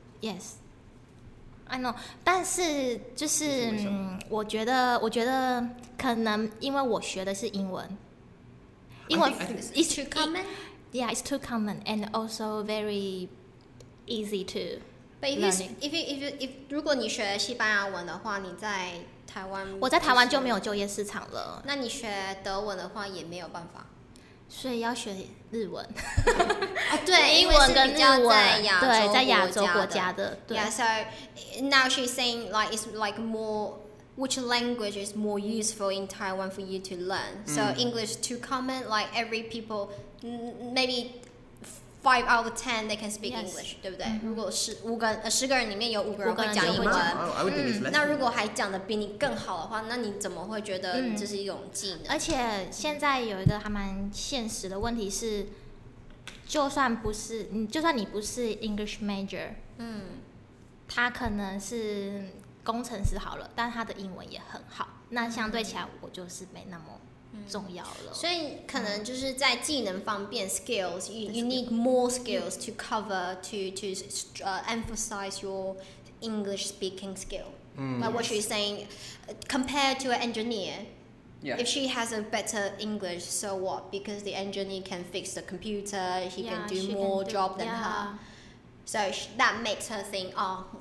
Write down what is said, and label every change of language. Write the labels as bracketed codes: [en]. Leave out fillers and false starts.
[en] Yes. I know, [zh] 但是就是我觉得可能因为我学的是英文，因为 [en] it's too common. Yeah, it's too common and also very easy to. But if [zh] 如果你学西班牙文的话，你在台湾，我在台湾就没有就业市场了。那你学德文的话也没有办法。所以要学日文，对，英文跟日文，对，在亚洲国家的，对。 [en] Yeah, so now she's saying like it's like more, which language is more useful in Taiwan for you to learn? So English too common, like every people, maybe 5 out of 10 they can speak English, [zh] 对不对？如果十个人里面有五个人会讲英文，那如果还讲的比你更好的话，那你怎么会觉得这是一种技能？而且现在有一个还蛮现实的问题是，就算你不是 English major， 他可能是工程师好了，但他的英文也很好，那相对起来我就是没那么。重要了，所以可能就是在技能方面 [en] skills you need more skills to cover to emphasize your English speaking skill like what she's saying compared to an engineer if she has a better English so what because the engineer can fix the computer he can do more job than her so that makes her think oh